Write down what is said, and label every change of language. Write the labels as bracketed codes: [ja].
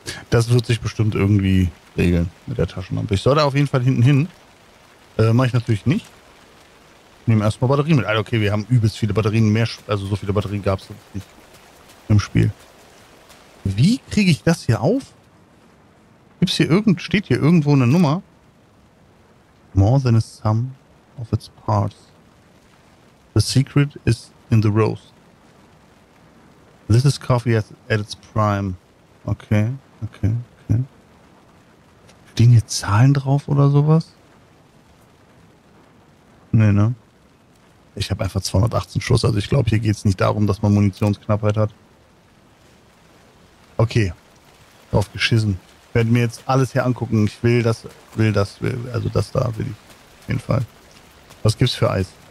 [de] Das wird sich bestimmt irgendwie regeln mit der Taschenlampe. Ich soll da auf jeden Fall hinten hin. Mache ich natürlich nicht. Nehmen erstmal Batterien mit. Also okay, wir haben übelst viele Batterien. Also so viele Batterien gab es nicht im Spiel. Wie kriege ich das hier auf? Steht hier irgendwo eine Nummer? [en] More than a sum of its parts. The secret is in the roast. This is coffee at its prime. Okay. [de] Stehen hier Zahlen drauf oder sowas? Nee, ne? Ich habe einfach 218 Schuss, also ich glaube, hier geht es nicht darum, dass man Munitionsknappheit hat. Okay. Drauf geschissen. Ich werde mir jetzt alles hier angucken. Ich will das, also das da will ich. Auf jeden Fall. Was gibt's für Eis?